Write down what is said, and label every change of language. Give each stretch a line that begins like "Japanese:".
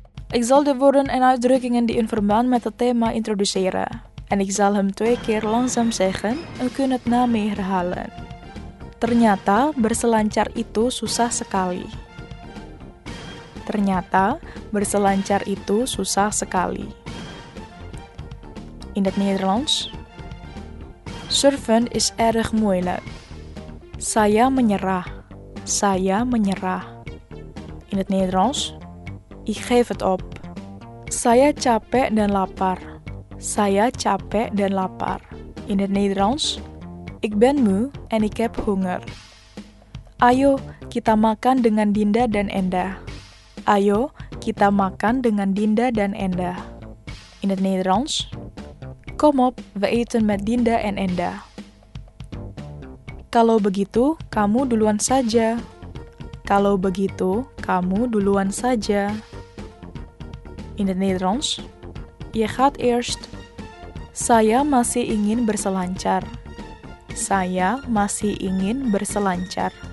Dutch: Ik zal de woorden en uitdrukkingen die in verband met het thema introduceren. En ik zal hem twee keer langzaam zeggen en kun het na mee herhalen.
Indonesian: Ternyata berselancar itu susah sekali. Ternyata berselancar itu susah sekali.
Dutch: In het Nederlands. Surfen is erg moeilijk.
Indonesian: Saya menyerah. Saya menyerah.
Dutch: In het Nederlands. Ik geef het op.
Indonesian: Saya capek dan lapar. Saya capek dan lapar.
Dutch: In het Nederlands. Ik ben moe en ik heb honger.
Indonesian: Ayo, kita makan dengan Dinda dan Enda. Ayo, kita makan dengan Dinda dan Enda.
Dutch: In het Nederlands. Kom op, we eten met Dinda en Enda.
Indonesian: Kalau begitu, kamu duluan saja. Kalau begitu, kamu duluan saja.
Dutch: In het Nederlands. Je gaat eerst.
Indonesian: Saya masih ingin berselancar. Saya masih ingin berselancar.